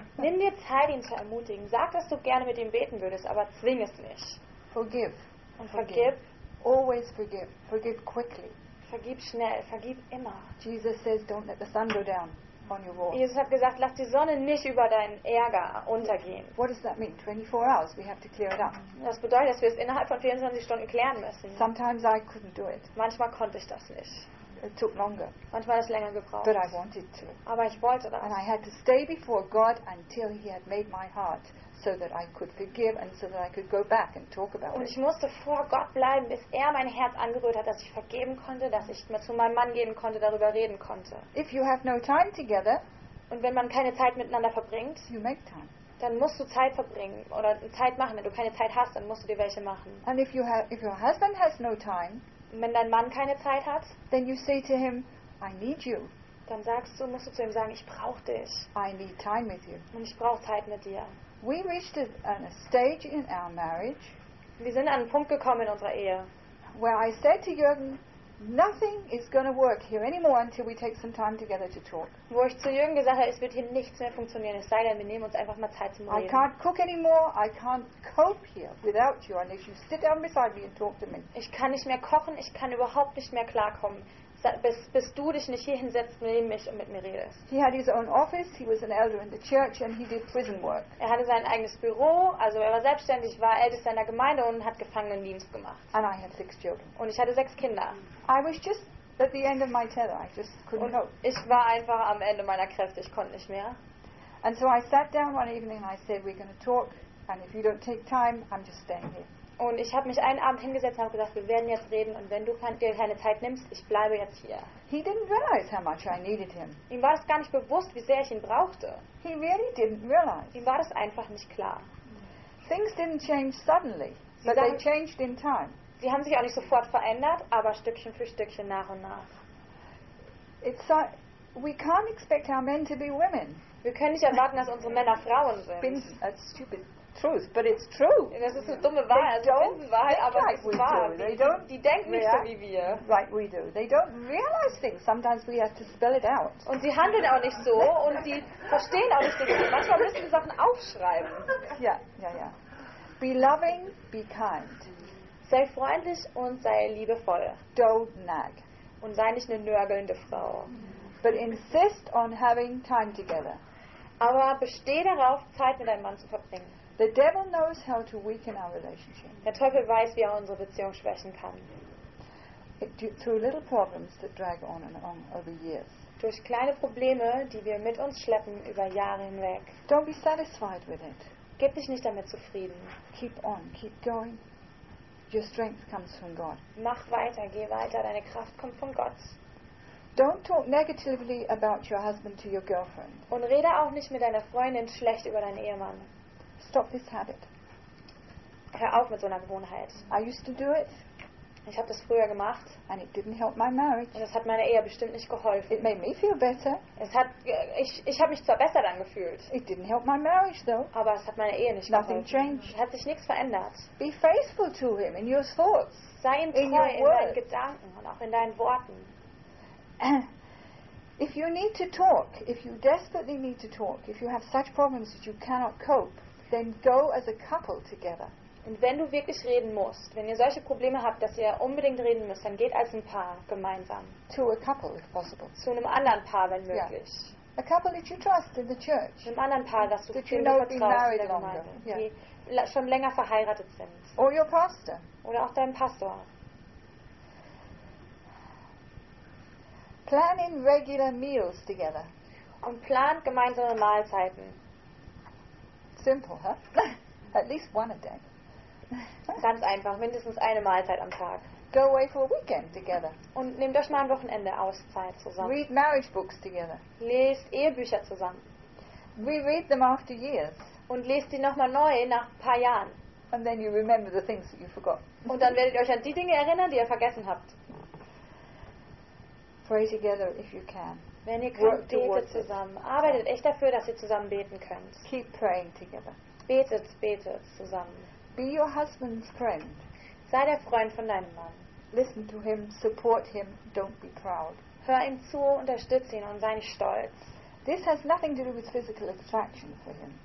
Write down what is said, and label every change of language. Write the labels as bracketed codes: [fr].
[de] Nimm dir Zeit, ihn zu ermutigen. Sag, dass du gerne mit ihm beten würdest, aber zwing es nicht. [en] Forgive. Und forgive. Always forgive. Forgive quickly. [de] Vergib schnell. Vergib immer. [en] Jesus says, don't let the sun go down on your wrath. [de] Jesus hat gesagt, lass die Sonne nicht über deinen Ärger untergehen. [en] What does that mean? 24 hours, we have to clear it up. [de] Das bedeutet, dass wir es innerhalb von 24 Stunden klären müssen. [en] Sometimes I couldn't do it. [de] Manchmal konnte ich das nicht. [en] It took longer. [de] Manchmal hat es länger gebraucht. [en] But I wanted to. [de] Aber ich wollte das. [en] And I had to stay before God until he had made my heart so that I could forgive and so that I could go back and talk about it. [de] Und ich musste vor Gott bleiben, bis er mein Herz angerührt hat, dass ich vergeben konnte, dass ich mir zu meinem Mann gehen konnte, darüber reden konnte. [en] If you have no time together, [de] und wenn man keine Zeit miteinander verbringt, [en] you make time. [de] Dann musst du Zeit verbringen oder Zeit machen. Wenn du keine Zeit hast, dann musst du dir welche machen. [en] And if your husband has no time, [de] wenn dein Mann keine Zeit hat, [en] then you say to him, I need you. [de] Dann sagst du, musst du zu ihm sagen, ich brauche dich. [en] I need time with you. [de] Und ich brauche Zeit mit dir. [en] We reached a stage in our marriage. [de] Wir sind an einen Punkt gekommen in unserer Ehe. [en] Where I said to Jürgen, nothing is going to work here anymore until we take some time together to talk. [de] Wo ich zu Jürgen gesagt habe, es wird hier nichts mehr funktionieren. Es sei denn, wir nehmen uns einfach mal Zeit zum Reden. [en] I can't cook anymore. I can't cope here without you unless you sit down beside me and talk to me. [de] Ich kann nicht mehr kochen. Ich kann überhaupt nicht mehr klarkommen, bis du dich nicht hier hinsetzt neben mich und mit mir redest. [en] He had his own office. He was an elder in the church and he did prison work. [de] Er hatte sein eigenes Büro, also er war selbstständig, war Ältester in der Gemeinde und hat Gefangenendienst gemacht. [en] And I had 6 children. [de] Und ich hatte 6 Kinder. [en] I was just at the end of my tether. I just couldn't cope. [de] Ich war einfach am Ende meiner Kräfte. Ich konnte nicht mehr. [en] And so I sat down one evening and I said, we're going to talk and if you don't take time, I'm just staying here. [de] Und ich habe mich einen Abend hingesetzt und habe gesagt, wir werden jetzt reden und wenn du dir keine Zeit nimmst, ich bleibe jetzt hier. [en] He didn't realize how much I needed him. [de] Ihm war es gar nicht bewusst, wie sehr ich ihn brauchte. [en] He really didn't realize. [de] Ihm war das einfach nicht klar. [en] Things didn't change suddenly, but they changed in time. [de] Sie haben sich auch nicht sofort verändert, aber Stückchen für Stückchen nach und nach. [en] It's we can't expect our men to be women. [de] Wir können nicht erwarten, dass unsere Männer Frauen sind. [en] That's stupid. Truth, but it's true. [de] Das ist eine dumme Wahrheit. [en] They don't [de] Wahrheit, aber [en] like [de] es ist wahr. Die denken nicht so wie wir. [en] Like we do. They don't realize things. Sometimes we have to spell it out. [de] Und sie handeln auch nicht so und sie verstehen auch nicht so. Manchmal müssen sie Sachen aufschreiben. [en] Ja, ja, ja. Be loving, be kind. [de] Sei freundlich und sei liebevoll. [en] Don't nag. [de] Und sei nicht eine nörgelnde Frau. [en] But insist on having time together. [de] Aber besteh darauf, Zeit mit deinem Mann zu verbringen. [en] The devil knows how to weaken our relationship. [de] Der Teufel weiß, wie er unsere Beziehung schwächen kann. [en] Through little problems that drag on and on over years. [de] Durch kleine Probleme, die wir mit uns schleppen über Jahre hinweg. [en] Don't be satisfied with it. [de] Gib dich nicht damit zufrieden. [en] Keep on, keep going. Your strength comes from God. [de] Mach weiter, geh weiter. Deine Kraft kommt von Gott. [en] Don't talk negatively about your husband to your girlfriend. [de] Und rede auch nicht mit deiner Freundin schlecht über deinen Ehemann. [en] Stop this habit. [de] Hör auf mit so einer Gewohnheit. [en] I used to do it. [de] Ich habe das früher gemacht. [en] And it didn't help my marriage. [de] Und das hat meiner Ehe bestimmt nicht geholfen. [en] It made me feel better. [de] Ich habe mich zwar besser dann gefühlt. [en] It didn't help my marriage though. [de] Aber es hat meine Ehe nicht [en] Nothing [de] geholfen. [en] Changed. [de] Hat sich nichts verändert. [en] Be faithful to him in your thoughts. [de] Sei ihm treu in [en] your words. [de] Deinen Gedanken und auch in deinen Worten. [en] If you need to talk, if you desperately need to talk, if you have such problems that you cannot cope, then go as a couple together. [de] Und wenn du wirklich reden musst, wenn ihr solche Probleme habt, dass ihr unbedingt reden müsst, dann geht als ein Paar gemeinsam. [en] To a couple, if possible. [de] Zu einem anderen Paar, wenn möglich. [en] Yeah. A couple that you trust in the church. [de] Einem anderen Paar, das du [en] that you know [de] vertraust, [en] been married [de] in [en] longer. [de] Die schon länger verheiratet sind. [en] Or your pastor. [de] Oder auch deinem Pastor. [en] Plan in regular meals together. [de] Und plant gemeinsame Mahlzeiten. [en] Simple, huh? At least one a day. [de] Ganz einfach, mindestens eine Mahlzeit am Tag. [en] Go away for a weekend together. [de] Und nehmt euch mal ein Wochenende Auszeit zusammen. [en] Read marriage books together. [de] Lest Ehebücher zusammen. [en] Reread them after years. [de] Und lest sie nochmal neu nach ein paar Jahren. [en] And then you remember the things that you forgot. [de] Und dann werdet ihr euch an die Dinge erinnern, die ihr vergessen habt. [en] Pray together if you can. [de] Wenn ihr könnt, betet zusammen. Arbeitet echt dafür, dass ihr zusammen beten könnt. [en] Keep praying together. [de] Betet, betet zusammen. [en] Be your husband's friend. [de] Sei der Freund von deinem Mann. [en] Listen to him, support him, don't be proud. [de] Hör ihm zu, unterstütze ihn und sei nicht stolz. [en] This has nothing to do with physical attraction for him.